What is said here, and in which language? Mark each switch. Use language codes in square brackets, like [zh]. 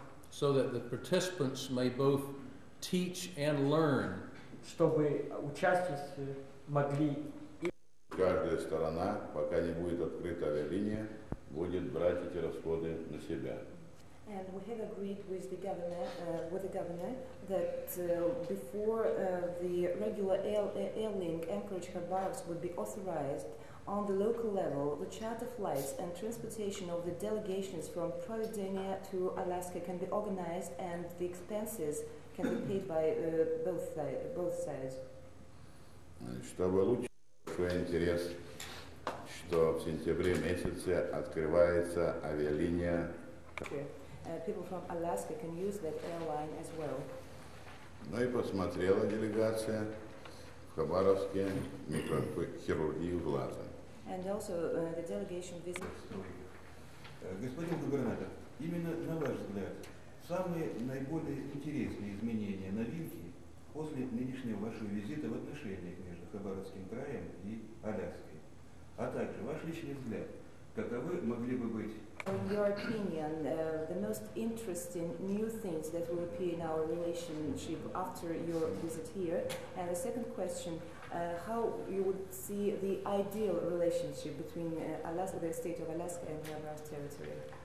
[en] So that the participants may both teach and learn. [ru] Чтобы участники могли. Каждая сторона, пока не будет открыта авиалиния, будет брать эти расходы на себя. [en] And we have agreed with the governor, that before the regular airlink Anchorage Khabarovsk would be authorized, on the local level, the charter flights and transportation of the delegations from Providence to Alaska can be organized, and the expenses can be paid by both sides. [ru] Чтобы лучше Большой интерес, что в сентябре месяце открывается авиалиния. [en] People from Alaska can use that airline as well. [ru] Ну и посмотрела делегация в Хабаровске микрохирургию глаза. [en] And also the delegation visits. [ru] Господин губернатор, именно на ваш взгляд, самые наиболее интересные изменения, новинки после нынешнего вашего визита в отношениях между Хабаровским краем и Аляской. А также, ваш личный взгляд, каковы могли бы быть? [en] In your opinion, the most interesting new things that will appear in our relationship after your visit here. And the second question, how you would see the ideal relationship between Alaska, the state of Alaska and Khabarovsk territory?